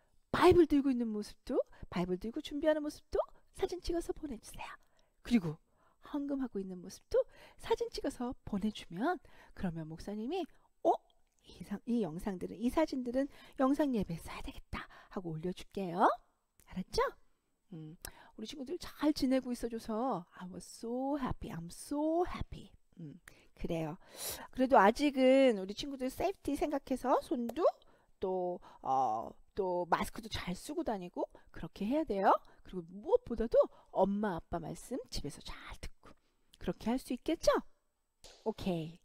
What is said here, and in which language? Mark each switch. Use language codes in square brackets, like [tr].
[ko] 바이블 들고 있는 모습도, 바이블 들고 준비하는 모습도 사진 찍어서 보내주세요. 그리고 헌금하고 있는 모습도 사진 찍어서 보내주면, 그러면 목사님이 이 영상들은, 이 사진들은 영상 예배 써야 되겠다 하고 올려줄게요. 알았죠? 우리 친구들 잘 지내고 있어줘서 [en] I was so happy, I'm so happy. [ko] 그래요. 그래도 아직은 우리 친구들 세이프티 생각해서 손도 또또 마스크도 잘 쓰고 다니고 그렇게 해야 돼요. 그리고 무엇보다도 엄마 아빠 말씀 집에서 잘 듣고 그렇게 할수 있겠죠? 오케이.